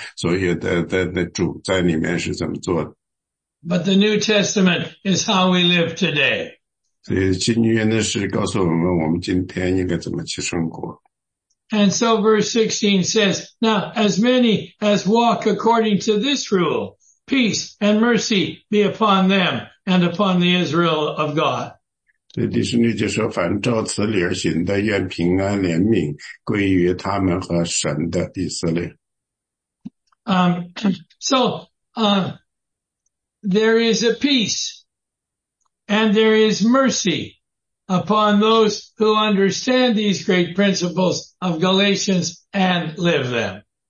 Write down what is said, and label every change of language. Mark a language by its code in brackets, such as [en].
[zh] 就是旧约呢其实给了我们一个背景告诉我们所有的那里的规则告诉我们呢所有的主在里面是怎么做的 [en] But the New Testament is how we live today [zh] 所以新约呢是告诉我们我们今天应该怎么去生活 [en] And so verse 16 says Now as many as walk according to this rule peace and mercy be upon them and upon the Israel of God [zh] 所以第十六节说,凡照此理而行的,愿平安怜悯归于他们和神的以色列。 [en] There is a peace, and there is mercy upon those who understand these great principles of Galatians and live them.